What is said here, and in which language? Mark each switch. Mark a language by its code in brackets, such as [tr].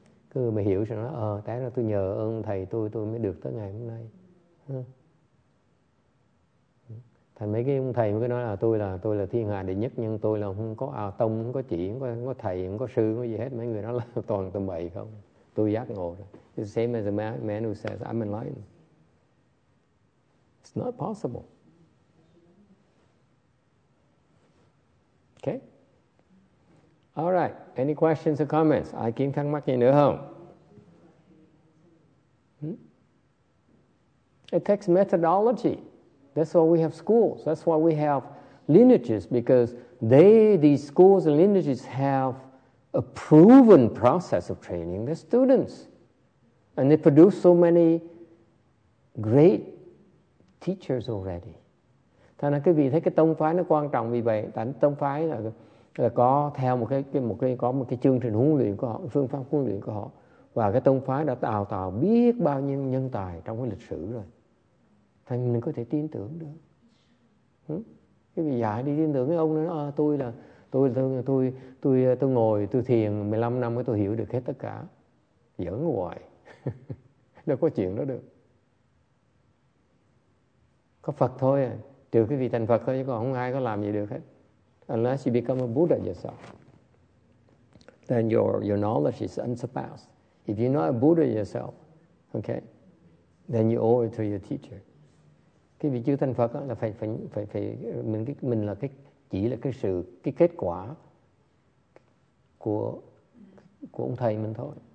[vi] Cứ mà hiểu rồi nói, té ra tôi nhờ ơn thầy tôi mới được tới ngày hôm nay. Thành mấy cái ông thầy mới nói là tôi là thiên hạ đệ nhất, nhưng tôi là không có tông, không có chỉ, không có thầy, không có sư, không có gì hết. Mấy người đó là toàn tầm bậy không. Tôi giác ngộ rồi. [en] It's the same as a man who says, I'm enlightened. It's not possible. Okay? All right. Any questions or comments? [vi] Ai kiếm thắc mắc gì nữa không? [en] It takes methodology. That's why we have schools. That's why we have lineages, because these schools and lineages have a proven process of training their students. And they produce so many great teachers already. [vi] Thế nên quý vị thấy cái tông phái nó quan trọng vì vậy. Tại tông phái là có theo một cái chương trình huấn luyện của họ, phương pháp huấn luyện của họ. Và cái tông phái đã đào tạo biết bao nhiêu nhân tài trong cái lịch sử rồi. Thành mình có thể tin tưởng được. Cái vị giải đi tin tưởng cái ông đó, tôi là Tôi ngồi, tôi thiền 15 năm tôi hiểu được hết tất cả. Giỡn hoài. Đâu có chuyện đó được. Có Phật thôi à. Trừ cái vị thành Phật thôi, chứ còn không ai có làm gì được hết. [en] Unless you become a Buddha yourself, then your knowledge is unsurpassed. If you're not a Buddha yourself, okay, then you owe it to your teacher. [vi] Cái vị chư thành Phật là phải mình là cái chỉ là cái sự cái kết quả của ông thầy mình thôi.